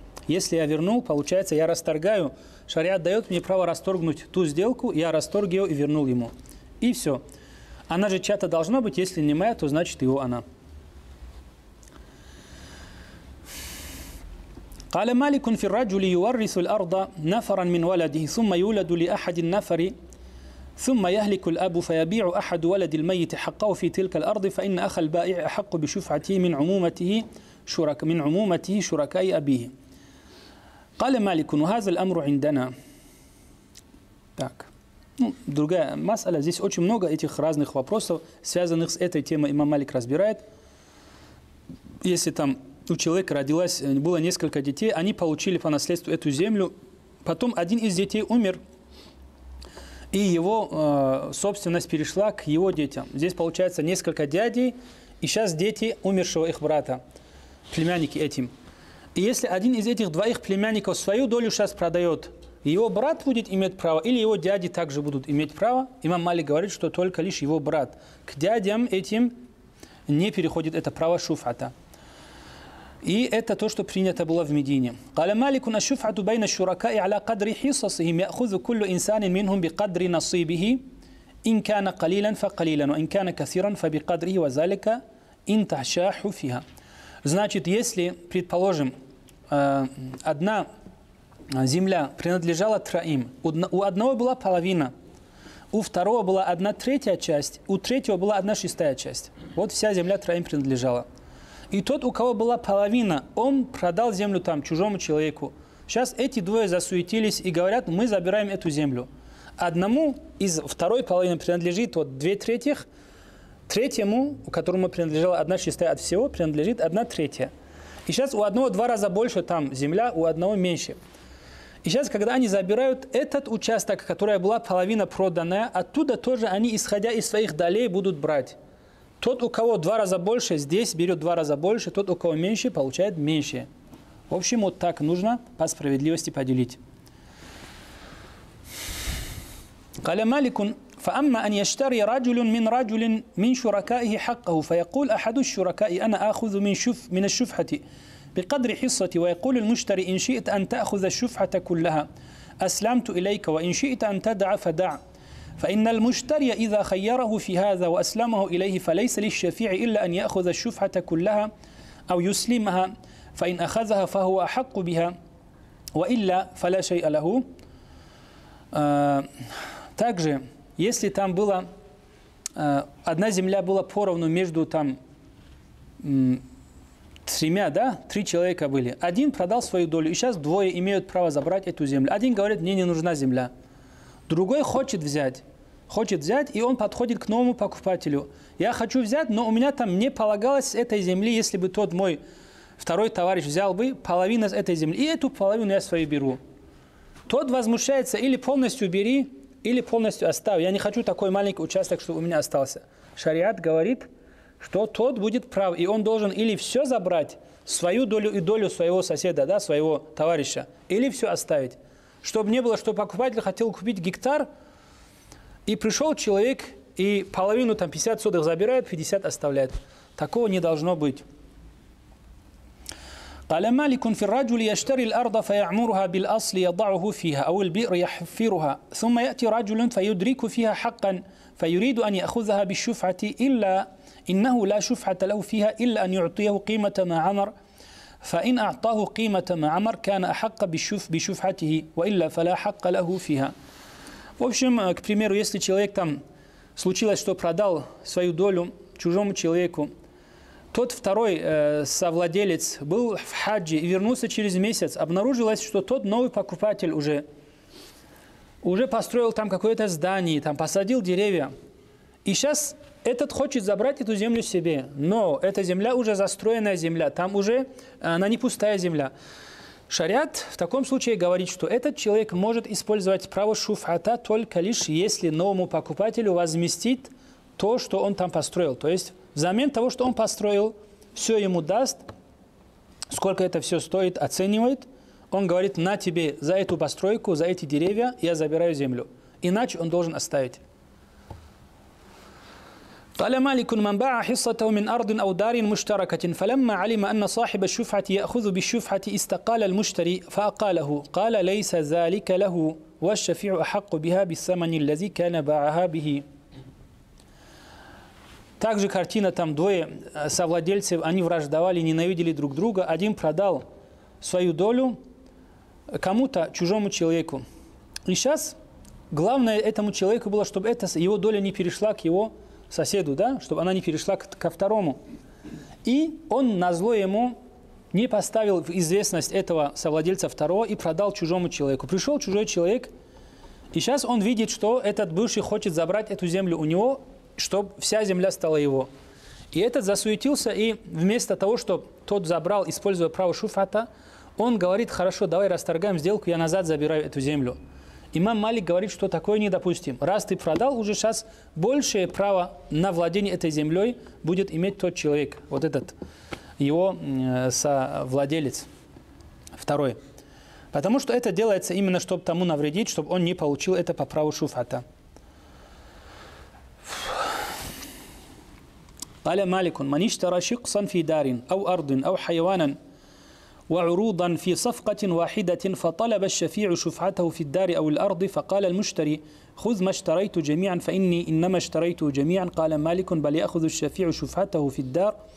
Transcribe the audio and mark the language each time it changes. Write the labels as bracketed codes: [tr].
[ru] Если я вернул, получается, я расторгаю. Шариат дает мне право расторгнуть ту сделку, я расторг ее и вернул ему. И все. Она же чья-то должна быть, если не моя, то значит его она. [ar] «Каля маликун фирраджули юаррису л-арда нафаран мин валадихи, сумма юладу ли ахадин нафари». ثم يهلك الأب فيبيع أحد ولد الميت حقه في تلك الأرض فإن أخ البائع أحق بشفعته من عمومته شرك من عمومته شركاء أبيه. قال مالك وهذا الأمر عندنا. [ru] Так. Ну, другая масса. Здесь очень много этих разных вопросов, связанных с этой темой. Имам Малик разбирает. Если там у человека родилось было несколько детей, они получили по наследству эту землю, потом один из детей умер. И его собственность перешла к его детям. Здесь получается несколько дядей, и сейчас дети умершего их брата, племянники этим. И если один из этих двоих племянников свою долю сейчас продает, его брат будет иметь право, или его дяди также будут иметь право? Имам Малик говорит, что только лишь его брат. К дядям этим не переходит это право шуфата. И это то, что принято было в Медине. [ar] قال مالك ان الشفعة بين الشركاء على قدر حصصهم يأخذ كل إنسان منهم بقدر نصيبه إن كان قليلا فقليلا وإن كان كثيرا فبقدره وذلك إن تشاح فيها. [ru] Значит, если, предположим, одна земля принадлежала троим, у одного была половина, у второго была одна третья часть, у третьего была одна шестая часть. Вот вся земля троим принадлежала. И тот, у кого была половина, он продал землю там чужому человеку. Сейчас эти двое засуетились и говорят, мы забираем эту землю. Одному из второй половины принадлежит вот две трети, третьему, которому принадлежала одна шестая от всего, принадлежит одна третья. И сейчас у одного два раза больше там земля, у одного меньше. И сейчас, когда они забирают этот участок, которая была половина проданная, оттуда тоже они, исходя из своих долей, будут брать. Тот, у кого два раза больше, здесь берет два раза больше. Тот, у кого меньше, получает меньше. В общем, вот так нужно по справедливости поделить. [ar] قال مالك فأما أن يشتري رجل من رجل من شركائه حقه فيقول أحد الشركاء أنا آخذ من الشفعة بقدر حصتي ويقول المشتري إن شئت أن تأخذ الشفعة كلها أسلمت إليك وإن شئت أن تدع فدع فإن المشتري إذا خيره في هذا وأسلمه إليه فليس للشفيع إلا أن يأخذ الشفعة كلها أو يسلمها فإن أخذها فهو أحق بها وإلا فلا شيء له. [ru] Также, если там была одна земля была поровну между там тремя, да, три человека были. Один продал свою долю, и сейчас двое имеют право забрать эту землю. Один говорит, мне не нужна земля. Другой хочет взять. Хочет взять, и он подходит к новому покупателю. Я хочу взять, но у меня там не полагалось этой земли, если бы тот мой второй товарищ взял бы половину с этой земли. И эту половину я свою беру. Тот возмущается, или полностью бери, или полностью оставь. Я не хочу такой маленький участок, чтобы у меня остался. Шариат говорит, что тот будет прав, и он должен или все забрать, свою долю и долю своего соседа, да, своего товарища, или все оставить. Чтобы не было, что покупатель хотел купить гектар, и пришел человек, и половину, там, 50 сотых забирает, 50 оставляет. Такого не должно быть. [ar] قال مالك في الرجل يشتري الأرض فيعمرها بالأصل يضعه فيها أو البئر يحفرها ثم يأتي رجل فيدرك فيها حقا فيريد أن يأخذها بالشفعة إلا إنه لا شفعة له فيها إلا أن يعطيه قيمة ما عمر فإن أعطاه قيمة ما عمر كان أحق بشفعته وإلا فلا حق له فيها. [ru] В общем, к примеру, если человек там случилось, что продал свою долю чужому человеку, тот второй совладелец был в хаджи и вернулся через месяц, обнаружилось, что тот новый покупатель уже построил там какое-то здание, там посадил деревья. И сейчас этот хочет забрать эту землю себе, но эта земля уже застроенная земля, там уже она не пустая земля. Шариат в таком случае говорит, что этот человек может использовать право шуфата только лишь если новому покупателю возместит то, что он там построил. То есть взамен того, что он построил, все ему даст, сколько это все стоит, оценивает. Он говорит, на тебе за эту постройку, за эти деревья я забираю землю. Иначе он должен оставить. [ar] قال مالك من باع حصته من أرض أو دار مشتركة فلما علم أن صاحب الشفعة يأخذ بالشفعة استقال المشتري فأقاله قال ليس ذلك له والشفيع أحق بها بالثمن الذي كان باعها به. [ru] Также картина, там двое совладельцев, они враждовали, ненавидели друг друга. Один продал свою долю кому-то, чужому человеку. И сейчас главное этому человеку было, чтобы эта его доля не перешла к его соседу, да, чтобы она не перешла ко второму. И он назло ему не поставил в известность этого совладельца второго и продал чужому человеку. Пришел чужой человек, и сейчас он видит, что этот бывший хочет забрать эту землю у него, чтобы вся земля стала его. И этот засуетился, и вместо того, чтобы тот забрал, используя право шуфата, он говорит, хорошо, давай расторгаем сделку, я назад забираю эту землю. Имам Малик говорит, что такое недопустим. Раз ты продал, уже сейчас большее право на владение этой землей будет иметь тот человек, вот этот, его совладелец второй. Потому что это делается именно, чтобы тому навредить, чтобы он не получил это по праву шуфата. [ar] قال مالك من اشترى شقصا في دار أو أرض أو حيوانا وعروضا في صفقة واحدة فطلب الشفيع شفعته في الدار أو الأرض فقال المشتري خذ ما اشتريت جميعا فإني إنما اشتريته جميعا قال مالك بل يأخذ الشفيع شفعته في الدار